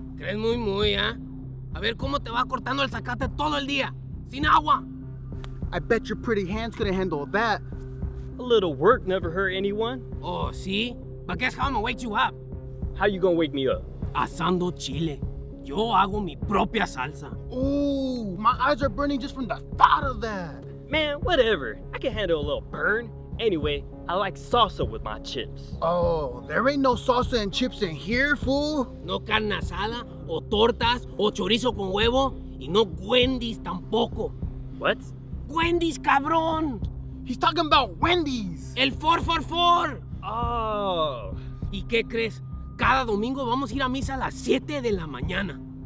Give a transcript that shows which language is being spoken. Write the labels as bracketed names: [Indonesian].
[Spanish] ¿Crees muy muy, eh? A ver cómo te va cortando el zacate todo el día, sin agua. [English] I bet your pretty hands couldn't handle that. A little work never hurt anyone. [Spanish] Oh, sí? [English] But guess how I'm gonna wake you up? How you gonna wake me up? [Spanish] Asando chile. Yo hago mi propia salsa. [English] Ooh, my eyes are burning just from the thought of that. Man, whatever. I can handle a little burn. Anyway, I like salsa with my chips. Oh, there ain't no salsa and chips in here, fool. [Spanish] No carne asada, o tortas, o chorizo con huevo, y no Wendy's tampoco. [English] What? [Spanish] Wendy's, cabrón. [English] He's talking about Wendy's. [Spanish] El 444. [English] Oh. [Spanish] ¿Y qué crees? Cada domingo vamos a ir a misa a las 7 de la mañana.